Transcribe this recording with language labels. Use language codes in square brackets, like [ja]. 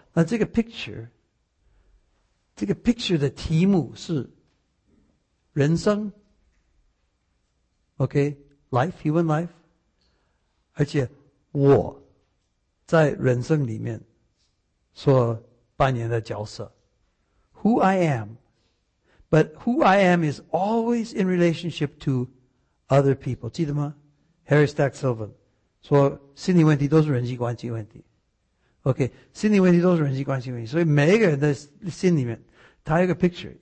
[zh] 那这个 picture 的题目是人生 ,OK? [en] Life, human life? [zh] 而且我在人生里面所扮演的角色。 [en] Who I am, but who I am is always in relationship to other people. [zh] 记得吗 ?Harry Stack Sylvan. 说心理问题都是人际关系问题 ，OK， 心理问题都是人际关系问题，所以每一个人的心里面，他有个 picture。